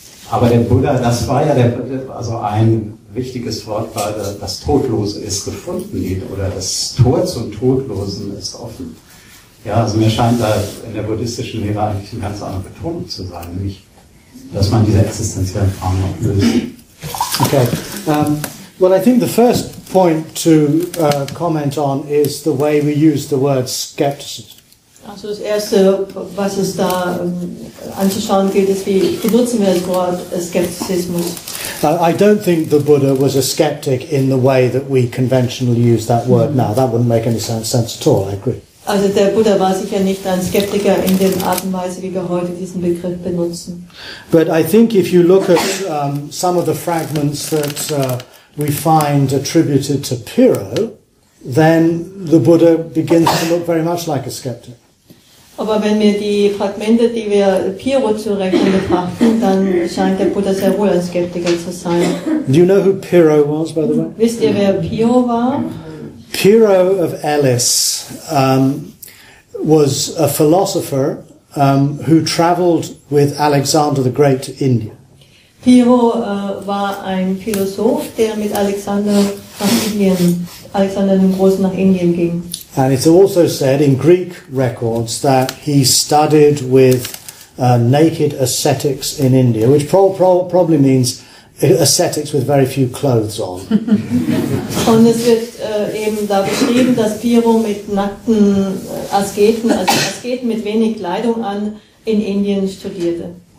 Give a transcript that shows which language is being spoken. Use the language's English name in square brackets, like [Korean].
[German] Aber der Buddha, das war ja der, also ein wichtiges Wort war, das Todlose ist gefunden, oder das Tor zum Todlosen ist offen. Ja, also mir scheint da in der buddhistischen Lehre eigentlich eine ganz andere Betonung zu sein, nämlich, dass man diese existenziellen Fragen auch löst. Okay. [English] Well, I think the first point to comment on is the way we use the word skepticism. [German] Also das erste, was es da anzuschauen gilt, ist, wie benutzen wir das Wort Skeptizismus. [English] I don't think the Buddha was a skeptic in the way that we conventionally use that word now. That wouldn't make any sense at all, I agree. [German] Also der Buddha war sicher nicht ein Skeptiker in der Art und Weise, wie wir heute diesen Begriff benutzen. [English] But I think if you look at some of the fragments that we find attributed to Pyrrho, then the Buddha begins to look very much like a skeptic. [German] Aber wenn wir die Fragmente, die wir Pyrrho zurechnen, betrachten, dann scheint der Buddha sehr wohl ein Skeptiker zu sein. [English] Do you know who Pyrrho was, by the way? [German] Wisst ihr, wer Pyrrho war? [English] Pyrrho of Elis was a philosopher who traveled with Alexander the Great to India. [German] Pyrrho war ein Philosoph, der mit Alexander nach Indien, Alexander dem Großen nach Indien ging. [English] And it's also said in Greek records that he studied with naked ascetics in India, which probably means ascetics with very few clothes on. [German] Und es wird eben da beschrieben, dass Pyrrho mit nackten Asketen, also Asketen mit wenig Kleidung an, in Indien studierte.